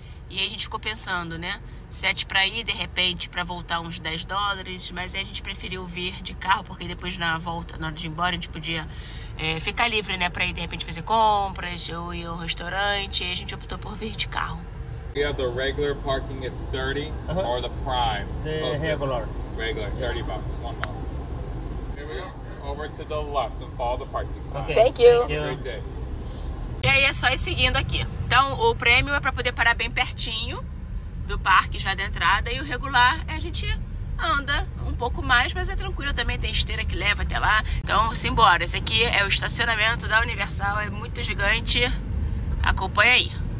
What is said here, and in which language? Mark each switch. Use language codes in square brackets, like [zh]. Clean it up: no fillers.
[pt] E aí a gente ficou pensando, né? 7 pra ir, de repente, pra voltar uns 10 dólares. Mas aí a gente preferiu vir de carro, porque depois na volta, na hora de ir embora, a gente podia ficar livre, né? Pra ir, de repente, fazer compras ou ir ao restaurante. E aí a gente optou por vir de carro. [en] We have the regular parking, it's 30, uh-huh. Or the prime. The regular, 30 bucks, one month. Here we go, over to the left and follow the parking sign. Okay. Thank you. Have a great day. [pt] E aí é só ir seguindo aqui. Então o prêmio é para poder parar bem pertinho do parque já da entrada e o regular é a gente anda um pouco mais, mas é tranquilo também, tem esteira que leva até lá. Então simbora, esse aqui é o estacionamento da Universal, é muito gigante, acompanha aí.